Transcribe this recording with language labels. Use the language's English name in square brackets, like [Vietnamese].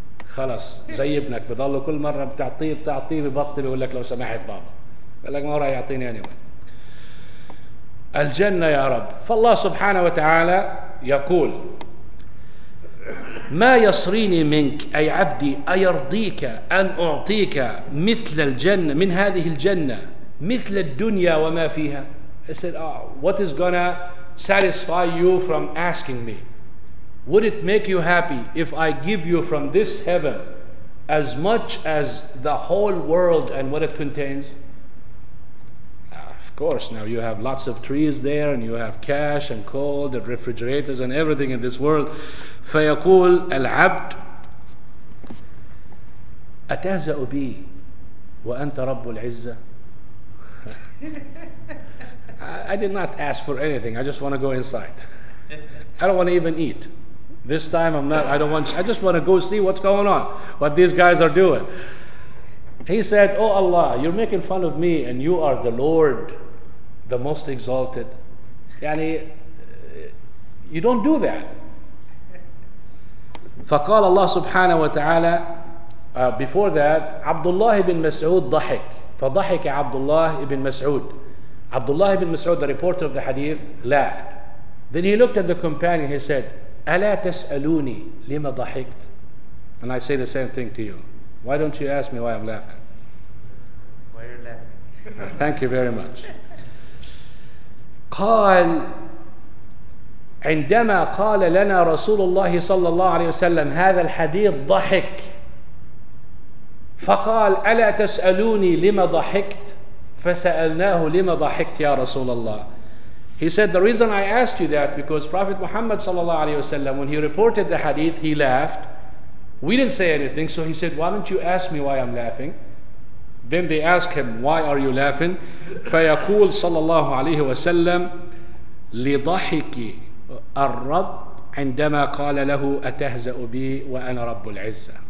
[Arabic] خلاص زي ابنك بضل كل مره بتعطيه ببطل يقول لك لو سمحت بابا قال لك ما راح يعطيني اني الجنه يا رب. فالله سبحانه وتعالى يقول ما يصريني منك اي عبدي ايرضيك ان اعطيك مثل الجنه من هذه الجنه مثل الدنيا وما فيها. [English] I said, what is gonna satisfy you from asking me? Would it make you happy if I give you from this heaven as much as the whole world and what it contains? Of course, now you have lots of trees there, and you have cash and cold and refrigerators and everything in this world. [Arabic] فيقول العبد أتهزأ بي وأنت رب العزة. [English] I did not ask for anything. I just want to go inside. I don't want to even eat. This time I just want to go see what's going on, what these guys are doing. He said, oh Allah, you're making fun of me, and you are the Lord, the most exalted. Yani, you don't do that. [Arabic] فقال الله سبحانه وتعالى, [English] before that, [Arabic] Abdullah ibn Mas'ud ضحك. فضحك [English] Abdullah ibn Mas'ud. Abdullah ibn Mas'ud, the reporter of the hadith, laughed. Then he looked at the companion, he said, [Arabic] ألا تسألوني لما ضحكت. [English] And I say the same thing to you. Why don't you ask me why I'm laughing? Why you're laughing? Thank you very much. [Arabic] قال عندما قال لنا رسول الله صلى الله عليه وسلم هذا الحديث ضحك. فقال ألا تسألوني لما ضحكت. فسألناه لما ضحكت يا رسول الله. [English] He said, the reason I asked you that, because Prophet Muhammad sallallahu alayhi wa sallam, when he reported the hadith, he laughed. We didn't say anything, so he said, why don't you ask me why I'm laughing? Then they ask him, why are you laughing? [Arabic] فَيَقُولُ صَلَّى اللَّهُ عَلَيْهِ وَسَلَّمْ لِضَحِكِ الرَّبِّ عِنْدَمَا قَالَ لَهُ أَتَهْزَأُ بِي وَأَنَا رَبُّ الْعِزَّةِ.